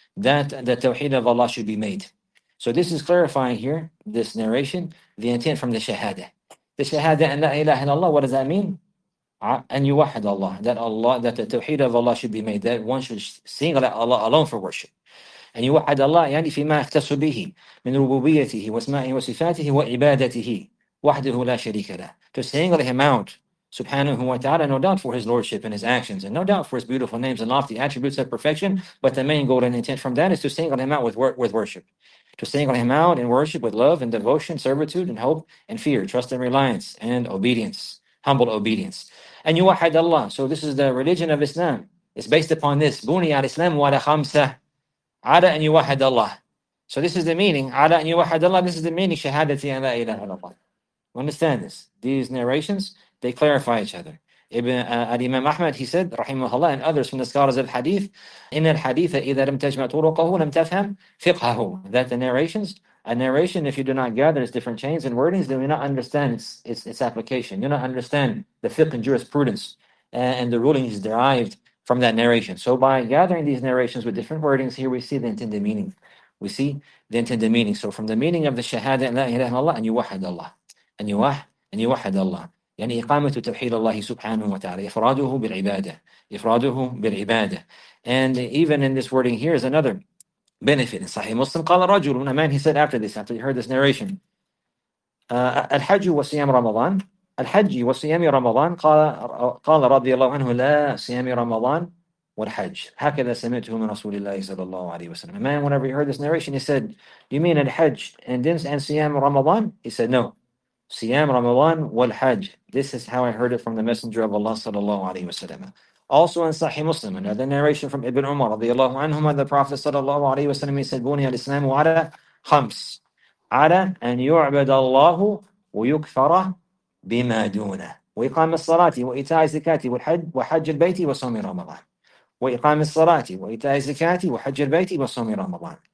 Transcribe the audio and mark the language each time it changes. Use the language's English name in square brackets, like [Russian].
[English] That the tawheed of Allah should be made. So this is clarifying here, this narration, the intent from the shahada. The shahada an la ilaha illallah, what does that mean? An yuwahad Allah. That Allah, that the tawheed of Allah should be made. That one should single out Allah alone for worship. [Arabic] And يوحد الله يعني فيما يختص به من ربوبيته واسمائه وصفاته وعبادته وحده لا شريك له. [English] To single him out, subhanahu wa ta'ala, no doubt for his lordship and his actions, and no doubt for his beautiful names and lofty attributes of perfection, but the main goal and intent from that is to single him out with worship. To single him out in worship with love and devotion, servitude and hope and fear, trust and reliance and obedience, humble obedience. [Arabic] And يوحد الله. [English] So this is the religion of Islam. It's based upon this. [Arabic] بني على الإسلام ولا خمسة. [English] Ala an yuwahad Allah. So this is the meaning. Ala an yuwahad Allah. This is the meaning. [Arabic] Shahadati an la ilaha illallah. Understand this. [English] These narrations, they clarify each other. Ibn al-Imam Ahmad, he said, rahimahullah, and others from the scholars of hadith, [Arabic] in al-haditha, idha lam tajma' turuqahu, lam tafham fiqhahu. [English] That the narrations, a narration, if you do not gather its different chains and wordings, then you do not understand its application. You do not understand the fiqh and jurisprudence and the rulings derived from that narration. So by gathering these narrations with different wordings, here we see the intended meaning. We see the intended meaning. So from the meaning of the shahada, la ilaha illallah, and yuwahad Allah. [Arabic] And yuwahad Allah. يعني إقامة توحيد الله سبحانه وتعالى. إفراده بالعبادة. إفراده بالعبادة. [English] And even in this wording here is another benefit. In Sahih Muslim, [Arabic] قال رجل, [English] a man, he said after this, after he heard this narration, [Arabic] الحج وصيام رمضان. الحج وصيام رمضان قال رضي الله عنه لا صيام رمضان والحج هكذا سمعته من رسول الله صلى الله عليه وسلم. [English] A man, whenever he heard this narration, he said, you mean [Arabic] الحج and صيام رمضان? [English] He said, no, [Arabic] صيام رمضان والحج. [English] This is how I heard it from the Messenger of Allah صلى الله عليه وسلم. Also in Sahih Muslim, another narration from Ibn Umar رضي الله عنهما, the Prophet صلى الله عليه وسلم, he said, [Arabic] بني الإسلام على خمس, على أن يعبد الله ويكفر بما دونه وإقام الصلاة وإيتاء الزكاة والحج وحج البيت وصوم رمضان وإقام الصلاة وإيتاء الزكاة وحج البيت وصوم رمضان.